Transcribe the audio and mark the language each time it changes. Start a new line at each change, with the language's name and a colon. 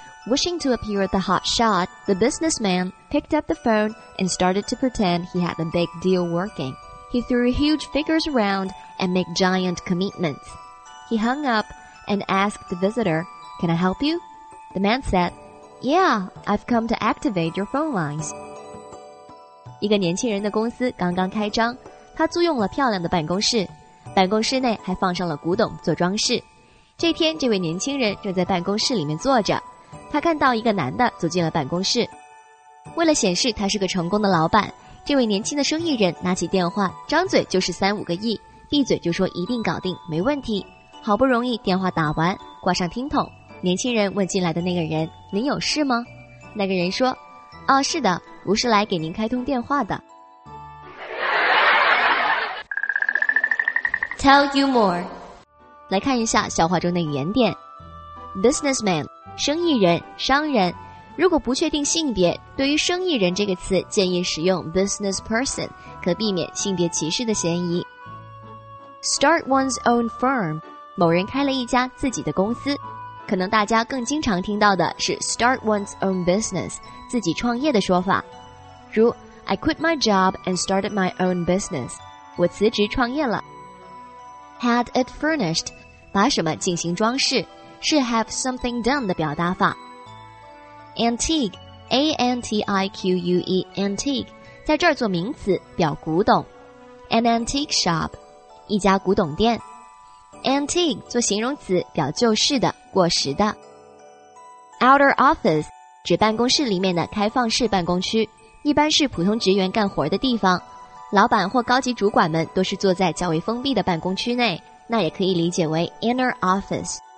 English: Wishing to appear the hot shot, the businessman picked up the phone and started to pretend he had a big deal working. He threw huge figures around and made giant commitments. He hung up and asked the visitor,Can I help you? The man said, Yeah, I've come to activate your phone lines.
Chinese: 一个年轻人的公司刚刚开张，他租用了漂亮的办公室，办公室内还放上了古董做装饰。这天，这位年轻人正在办公室里面坐着，他看到一个男的走进了办公室。为了显示他是个成功的老板，这位年轻的生意人拿起电话，张嘴就是三五个亿，闭嘴就说一定搞定，没问题。好不容易电话打完，挂上听筒，年轻人问进来的那个人，您有事吗？那个人说，啊，是的，我是来给您开通电话的。
English: Tell you more.
Chinese: 来看一下笑话中的语言点。Businessman, 生意人，商人。如果不确定性别，对于生意人这个词建议使用 business person, 可避免性别歧视的嫌疑。
English: Start one's own firm.
Chinese: 某人开了一家自己的公司，可能大家更经常听到的是
English: start one's own business,
Chinese: 自己创业的说法。如
English: I quit my job and started my own business,
Chinese: 我辞职创业了。
English: Had it furnished,
Chinese: 把什么进行装饰，是
English: have something done
Chinese: 的表达法。 Antique, A-N-T-I-Q-U-E, antique, 在这儿做名词表古董。 An antique shop, 一家古董店。 Antique 做形容词表旧式的过时的 Outer office 指办公室里面的开放式办公区一般是普通职员干活的地方老板或高级主管们都是坐在较为封闭的办公区内那也可以理解为 inner office